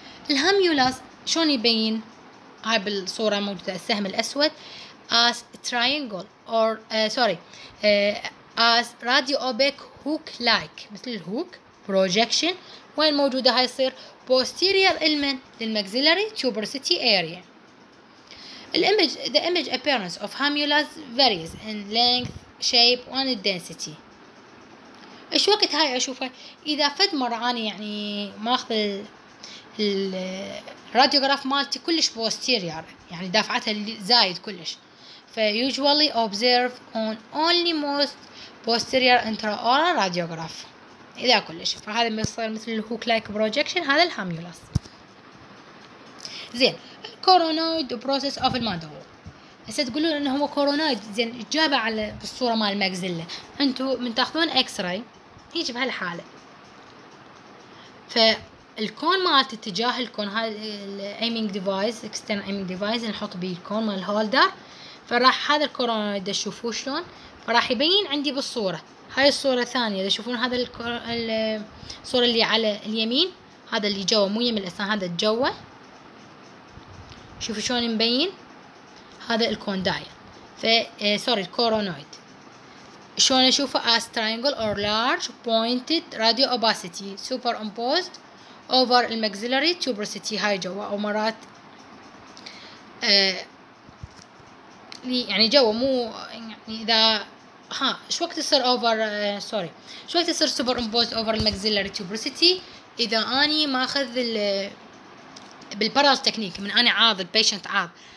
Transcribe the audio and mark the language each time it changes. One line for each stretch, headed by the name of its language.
Arabic: الهاميولاس شلون يبين؟ هاي بالصورة موجودة السهم الأسود as triangle or sorry as radio opaque hook like مثل الهوك projection. وين موجودة هاي؟ يصير posterior element للمكزيلاري tuberosity area.
English: The image appearance of hamulas varies in length, shape, and density.
Arabic: إيش وقت هاي أشوفه؟ إذا فد مرة أنا يعني ماخذ الراديوغراف مالتي كلش posterior يعني دافعتها زايد كلش.
English: فusually observe on only most posterior intraoral radiograph. إذا كلش.
Arabic: فهذا بيصير مثل الهوك لايك بروجكشن، هذا الهاميولاس. زين. كورونويد بروسيس اوف المانديبول. هسه تقولون انه هو كورونويد، زين جابه على الصوره مال المكزيلا. انتم من تاخذون اكس راي هيك بهالحاله. فالكون مال اتجاه الكون هذا الايمينج ديفايس اكسترنال ايمينج ديفايس نحط بيه الكون مال هولدر. فراح هذا الكورونويد تشوفوه شلون راح يبين عندي بالصوره. هاي الصورة الثانية إذا تشوفون هذا الصورة اللي على اليمين، هذا اللي جوا مو يم الأسنان، هذا جوا، شوفوا شلون مبين هذا الكوندايل.
English: ف سوري الكورونويد شلون أشوفه؟ as triangle or large pointed radio opacity superimposed over the maxillary tuberosity.
Arabic: هاي جوا أو مرات يعني جوا مو يعني إذا ها شو وقت يصير اوفر سوري شو وقت يصير سوبر امبوز اوفر المكزيلاري تيوبرسيتي؟ اذا اني ماخذ بالبارال تكنيك من انا عاض البيشنت عاض.